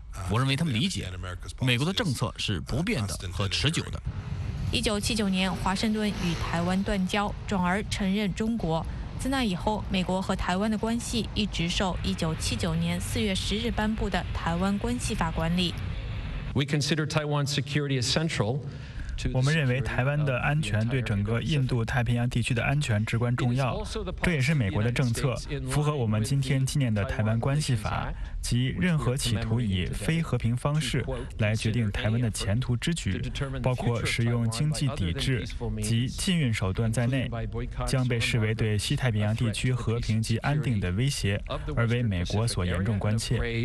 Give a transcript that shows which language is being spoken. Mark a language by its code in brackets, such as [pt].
[zh] 我认为他们理解，美国的政策是不变的和持久的。 1979年，华盛顿与台湾断交，转而承认中国。自那以后，美国和台湾的关系一直受1979年4月10日颁布的《台湾关系法》管理。 [en] We consider Taiwan's security as central to. [zh] 我们认为台湾的安全对整个印度太平洋地区的安全至关重要，这也是美国的政策，符合我们今天纪念的《台湾关系法》，即任何企图以非和平方式来决定台湾的前途之举，包括使用经济抵制及禁运手段在内，将被视为对西太平洋地区和平及安定的威胁，而为美国所严重关切。